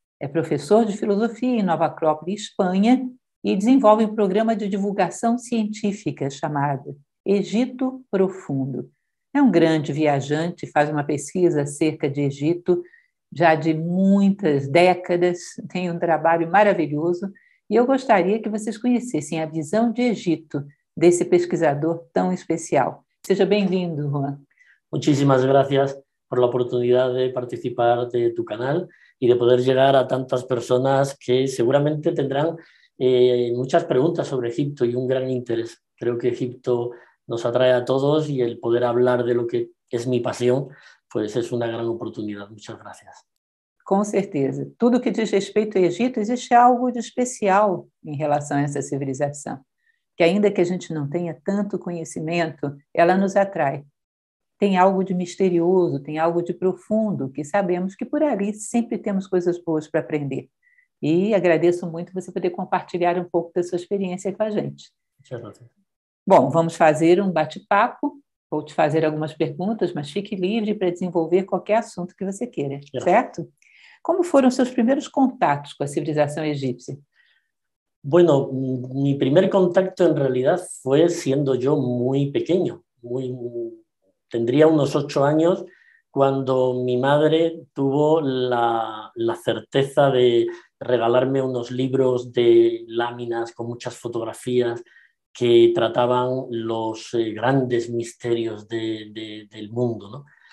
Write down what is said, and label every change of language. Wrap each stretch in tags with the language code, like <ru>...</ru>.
<pt>É professor de filosofia em Nova Acrópolis, Espanha, e desenvolve um programa de divulgação científica chamado Egito Profundo. É um grande viajante, faz uma pesquisa acerca de Egito já de muitas décadas, tem um trabalho maravilhoso, e eu gostaria que vocês conhecessem a visão de Egito desse pesquisador tão especial. Seja bem-vindo, Juan.</pt> <es>Muchísimas gracias por la oportunidad de participar de tu canal y de poder llegar a tantas personas que seguramente tendrán muchas preguntas sobre Egipto y un gran interés. Creo que Egipto nos atrae a todos y el poder hablar de lo que es mi pasión, pues es una gran oportunidad. Muchas gracias.</es> <pt>Com certeza. Tudo que diz respeito ao Egito, existe algo de especial em relação a essa civilização. Que ainda que a gente não tenha tanto conhecimento, ela nos atrai. Tem algo de misterioso, tem algo de profundo, que sabemos que por ali sempre temos coisas boas para aprender. E agradeço muito você poder compartilhar um pouco da sua experiência com a gente. Bom, vamos fazer um bate-papo. Vou te fazer algumas perguntas, mas fique livre para desenvolver qualquer assunto que você queira, certo? Como foram seus primeiros contatos com a civilização egípcia?</pt> <es>Bueno, mi primer contacto en realidad fue siendo yo muy pequeño, tendría unos 8 años cuando mi madre tuvo la certeza de regalarme unos libros de láminas con muchas fotografías que trataban los grandes misterios del mundo, ¿no?</es>